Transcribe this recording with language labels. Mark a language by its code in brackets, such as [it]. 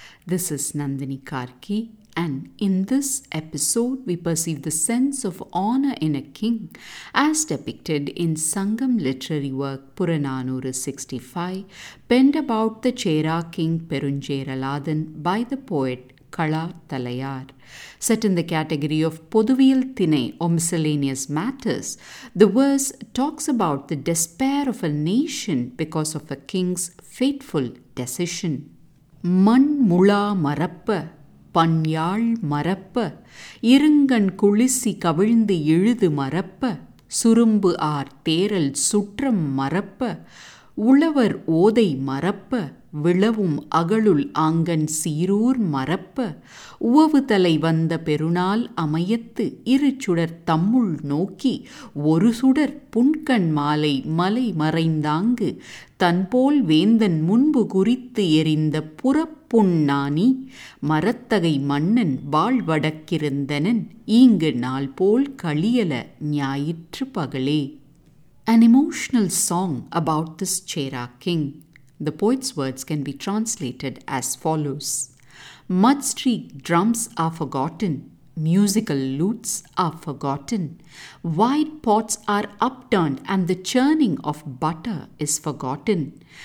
[en] This is Nandini Karki, and in this episode we perceive the sense of honor in a king as depicted in Sangam literary work Puranoor 65, penned about the Chera king Perunjeraladan by the poet Kala Thalaiyar. Set in the category of Poduvil Thinai or Miscellaneous Matters, the verse talks about the despair of a nation because of a king's fateful decision. [ta] Man Mula Marappa, Panyal Marappa, Irungan Kulisi Kavindu Yildu Marappa, Surumbu Ar Theral Sutram Marappa, Ulavar Odai Marappa, விளவும் அகளுள் Aangan சீரூர் மறப்ப உவவு தலை வந்த பெருநாள் அமையத்து இரு சுடர் தம்முள் நோக்கி ஒரு சுடர் புன்கண் மாலை மலை மறைந்தாங்கு தன்போல் வேந்தன் முன்பு குறித்து எரிந்த புறப்புண்ணாணி மரத்தகை மன்னன் வாழ்வடக்கிருந்தனன் ஈங்கு நாள் போல் கழியல ஞாயிற்று பகலே. [en] An emotional song about this Chera king. The poet's words can be translated as follows. Mudstreak drums are forgotten. Musical lutes are forgotten. Wide pots are upturned and the churning of butter is forgotten.